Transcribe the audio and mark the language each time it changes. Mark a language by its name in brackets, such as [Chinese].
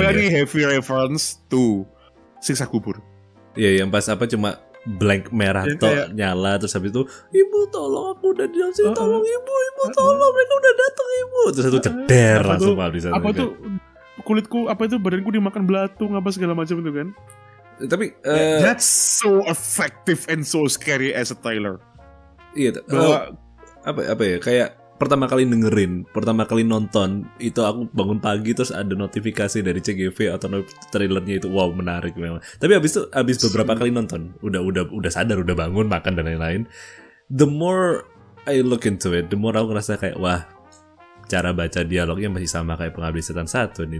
[English] Very heavy reference to Siksa Kubur. [Indonesian] Iya, yang pas apa cuma blank merah nyala, terus habis itu ibu tolong aku udah di dalam sini, tolong ibu tolong mereka udah datang ibu, terus satu ceder langsung apa bisa apa itu kulitku apa itu badanku dimakan belatung apa segala macam itu kan. Tapi [English] that's so effective and so scary as a trailer. [Indonesian] Iya, apa ya kayak pertama kali dengerin, pertama kali nonton, itu aku bangun pagi terus ada notifikasi dari CGV atau trailernya itu, wow, menarik memang. Tapi habis itu, habis beberapa kali nonton, udah sadar, udah bangun, makan dan lain-lain, [English] the more I look into it, the more [Indonesian] aku ngerasa kayak, wah, cara baca dialognya masih sama kayak Pengabdi Setan 1 nih.